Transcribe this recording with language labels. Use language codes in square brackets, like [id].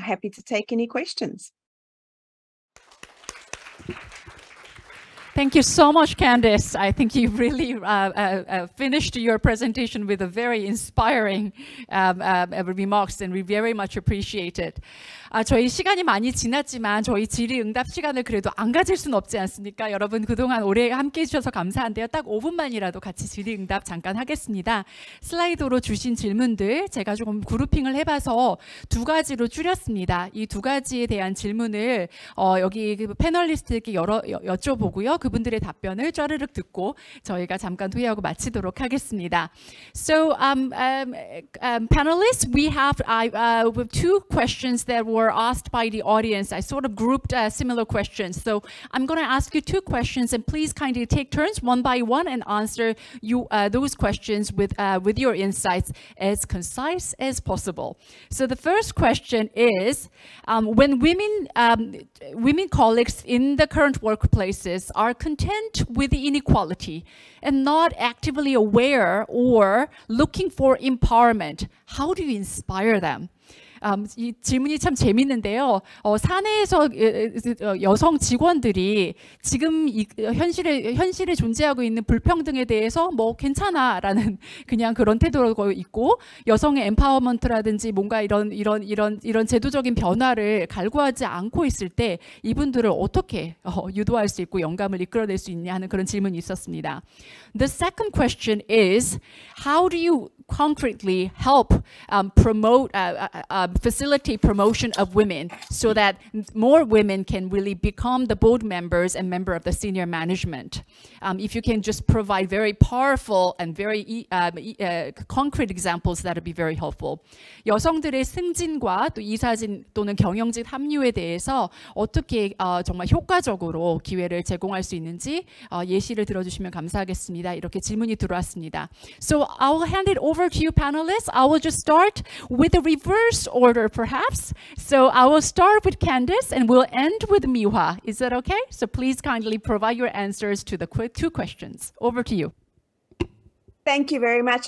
[en] Happy to take any questions. Thank you so much, Candice. I think you really finished your presentation with a very inspiring remarks, and we very much appreciate it. [ko] 저희 시간이 많이 지났지만 저희 질의 응답 시간을 그래도 안 가질 순 없지 않습니까? 여러분 그동안 오래 함께해 주셔서 감사한데요. 딱 5분만이라도 같이 질의 응답 잠깐 하겠습니다. 슬라이드로 주신 질문들 제가 조금 그룹핑을 해봐서 두 가지로 줄였습니다. 이 두 가지에 대한 질문을 여기 그 패널리스트에게 여쭤보고요. 그분들의 답변을 쩌르륵 듣고 저희가 잠깐 토의하고 마치도록 하겠습니다. [en] So panelists, we have two questions that were asked by the audience. I sort of grouped similar questions. So I'm going to ask you two questions, and please kindly take turns one by one and answer you those questions with your insights as concise as possible. So the first question is, when women colleagues in the current workplaces are content with the inequality and not actively aware or looking for empowerment, how do you inspire them? [ko] 이 질문이 참 재밌는데요. 사내에서 여성 직원들이 지금 이 현실에 존재하고 있는 불평등에 대해서 뭐 괜찮아라는 그냥 그런 태도로 있고 여성의 엠파워먼트라든지 뭔가 이런 제도적인 변화를 갈구하지 않고 있을 때 이분들을 어떻게 유도할 수 있고 영감을 이끌어낼 수 있냐 하는 그런 질문이 있었습니다. [en] The second question is, how do you concretely help promote facilitate promotion of women so that more women can really become the board members and member of the senior management. If you can just provide very powerful and very concrete examples, that would be very helpful. [ko] 여성들의 승진과 또 이사진 또는 경영진 합류에 대해서 어떻게 정말 효과적으로 기회를 제공할 수 있는지 예시를 들어주시면 감사하겠습니다. 이렇게 질문이 들어왔습니다. [en] So I will hand it over to you, panelists. I will just start with the reverse order, perhaps. So I will start with Candice and we'll end with Miwa. Is that okay? So please kindly provide your answers to the two questions. Over to you. Thank you very much.